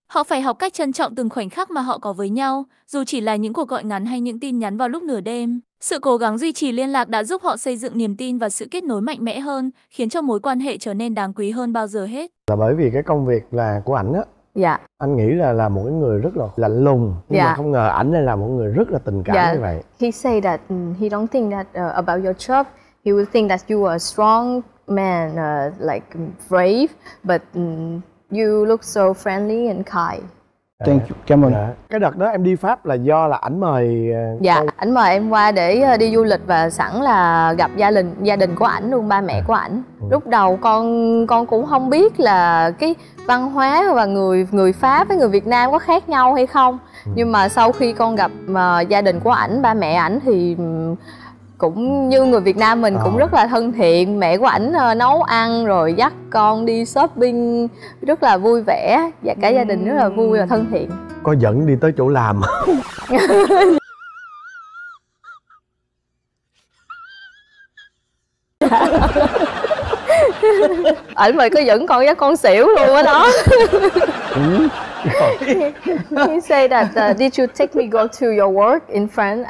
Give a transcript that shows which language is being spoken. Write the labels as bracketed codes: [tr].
[vi] Họ phải học cách trân trọng từng khoảnh khắc mà họ có với nhau, dù chỉ là những cuộc gọi ngắn hay những tin nhắn vào lúc nửa đêm. Sự cố gắng duy trì liên lạc đã giúp họ xây dựng niềm tin và sự kết nối mạnh mẽ hơn, khiến cho mối quan hệ trở nên đáng quý hơn bao giờ hết. Là bởi vì cái công việc là của ảnh á. Dạ. Anh nghĩ là một cái người rất là lạnh lùng, nhưng mà không ngờ ảnh lại là một người rất là tình cảm như vậy. [en] He say that he don't think that about your job. He would think that you are strong man, like brave, but you look so friendly and kind. Thank you. [vi] Cảm ơn. Cái đợt đó em đi Pháp là do là ảnh mời. Dạ, ảnh mời em qua để đi du lịch và sẵn là gặp gia đình của ảnh luôn, ba mẹ của ảnh. Lúc đầu con cũng không biết là cái văn hóa và người Pháp với người Việt Nam có khác nhau hay không. Nhưng mà sau khi con gặp gia đình của ảnh, ba mẹ ảnh thì cũng như người Việt Nam mình, cũng rất là thân thiện. Mẹ của ảnh nấu ăn rồi dắt con đi shopping rất là vui vẻ, và cả gia đình rất là vui và thân thiện. Có dẫn đi tới chỗ làm ảnh mày có dẫn con dắt con xỉu luôn á đó. [en] He say that did you take me go to your work in France?